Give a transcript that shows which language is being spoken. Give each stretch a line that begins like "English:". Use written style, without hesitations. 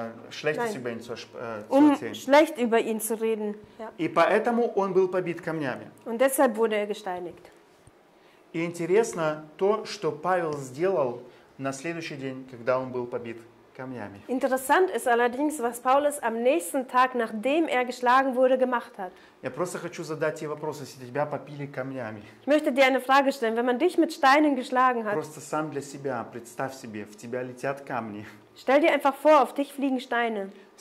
German: Schlecht über ihn zu reden.
Russian: И поэтому он был побит камнями.
German: Und deshalb wurde er gesteinigt.
Russian: И интересно то, что Павел сделал на следующий день, когда он был побит.
German: Interessant ist allerdings, was Paulus am nächsten Tag, nachdem er geschlagen wurde, gemacht hat. Ich möchte dir eine Frage stellen. Wenn man dich mit Steinen geschlagen hat, stell dir einfach vor, auf dich fliegen Steine.